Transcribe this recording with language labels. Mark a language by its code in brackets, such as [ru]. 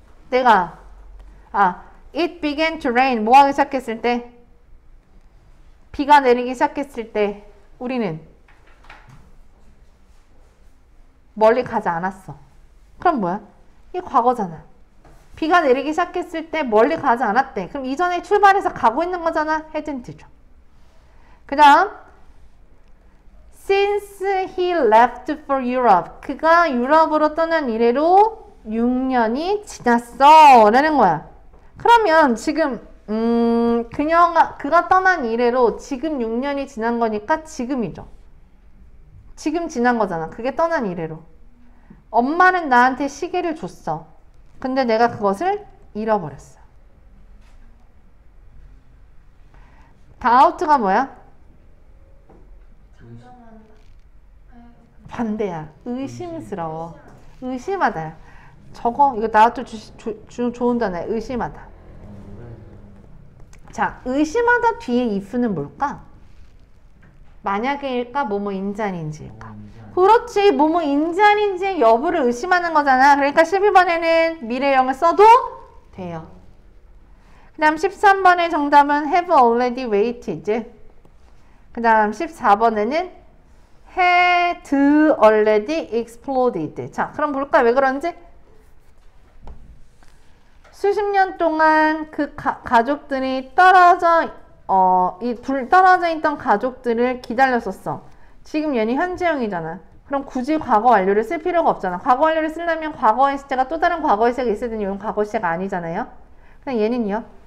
[ko] 내가 [en] it began to rain. [ko] 뭐 하기 시작했을 때? 비가 내리기 시작했을 때 우리는 멀리 가지 않았어. 그럼 뭐야? 이게 과거잖아. 비가 내리기 시작했을 때 멀리 가지 않았대. 그럼 이전에 출발해서 가고 있는 거잖아. 헤든트죠. 그 다음 [en] Since he left for Europe. [ko] 그가 유럽으로 떠난 이래로 6년이 지났어. 라는 거야. 그러면 지금 그가 떠난 이래로 지금 6년이 지난 거니까 지금이죠. 지금 지난 거잖아. 그게 떠난 이래로. 엄마는 나한테 시계를 줬어. 근데 내가 그것을 잃어버렸어. 다우트가 뭐야? 반대야. 의심스러워. 의심하다. 저거 이거 다우트 좋은 단어야. 의심하다. 자, 의심하다 뒤에 if는 뭘까? 만약에일까? 뭐뭐 인자인지일까? 그렇지. 뭐뭐 인자인지 여부를 의심하는 거잖아. 그러니까 12번에는 미래형을 써도 돼요. 그다음 13번의 정답은 have already waited. 그다음 14번에는 had already exploded. 자, 그럼 볼까? 왜 그런지? 수십 년 동안 그 가족들이 떨어져 이둘 떨어져 있던 가족들을 기다렸었어. 지금 얘는 현재형이잖아. 그럼 굳이 과거 완료를 쓸 필요가 없잖아. 과거 완료를 쓰려면 과거의 시제가 또 다른 과거의 시제가 있어야 되는 이건 과거 시제가 아니잖아요. 그냥 얘는요.